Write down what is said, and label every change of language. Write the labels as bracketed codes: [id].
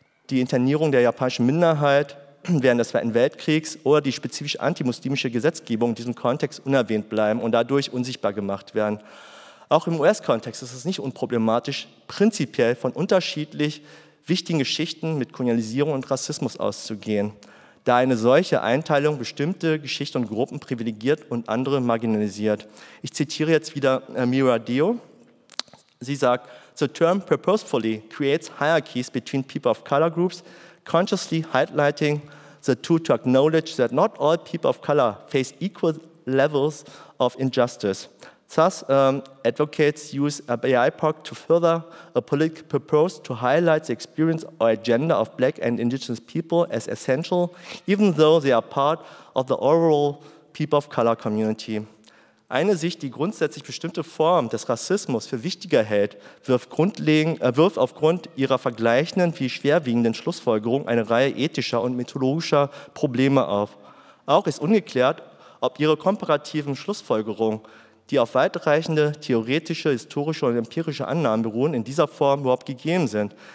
[de] die Internierung der japanischen Minderheit während des Zweiten Weltkriegs oder die spezifisch antimuslimische Gesetzgebung in diesem Kontext unerwähnt bleiben und dadurch unsichtbar gemacht werden. Auch im US-Kontext ist es nicht unproblematisch, prinzipiell von unterschiedlich wichtigen Geschichten mit Kolonialisierung und Rassismus auszugehen, da eine solche Einteilung bestimmte Geschichten und Gruppen privilegiert und andere marginalisiert. Ich zitiere jetzt wieder Mira Dio. Sie sagt, [en] "The term purposefully creates hierarchies between people of color groups, consciously highlighting the two to acknowledge that not all people of color face equal levels of injustice. Thus, advocates use a BIPOC to further a political purpose to highlight the experience or agenda of black and indigenous people as essential, even though they are part of the overall people of color community." [de] Eine Sicht, die grundsätzlich bestimmte Formen des Rassismus für wichtiger hält, wirft aufgrund ihrer vergleichenden wie schwerwiegenden Schlussfolgerung eine Reihe ethischer und methodologischer Probleme auf. Auch ist ungeklärt, ob ihre komparativen Schlussfolgerungen, die auf weitreichende theoretische, historische und empirische Annahmen beruhen, in dieser Form überhaupt gegeben sind.